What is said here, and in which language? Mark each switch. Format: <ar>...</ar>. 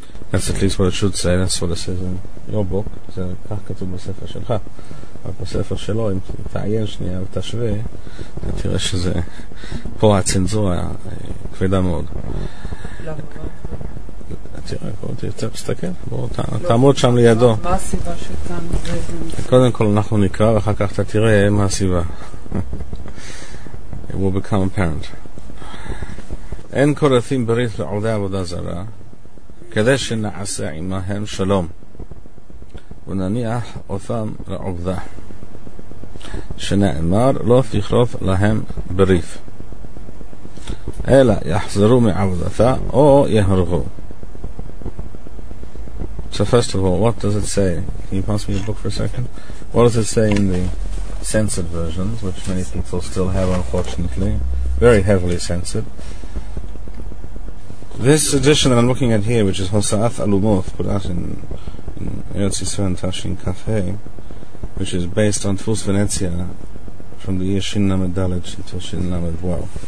<en>That's at least what it should say. That's what it says in your book.</en> <he>זה כך כתוב בספר שלך. אבל בספר שלו, אם תעיין שנייה ותשווה, אתה תראה שזה... פה הצנזורה כבדה מאוד. למה? תראה, בואו תרצה להסתכל. בואו תעמוד שם לידו. מה הסיבה שאתה... קודם כל אנחנו נקרא, ואחר כך אתה תראה מה הסיבה.</he> <en>It will become apparent.</en> <he>אין קורתים ברית לעובדי עבודה זרה, כדי שנעשה עמהם שלום. ונניח אותם לעובדה שנאמר לא תכרות להם בריף אלא יחזרו מעבודתה או יהרגו.</he> <en>So first of all, what does it say? Can you pass me the book for a second? What does it say in the censored versions, which many people still have, unfortunately, very heavily censored? This edition that I'm looking at here, which is Hosaat Alumot, put out in Eretz Yisrael and Tashin Cafe, which is based on Tfus Venezia from the year Shin Lamed Dalet until Shin Lamed Wow.</en>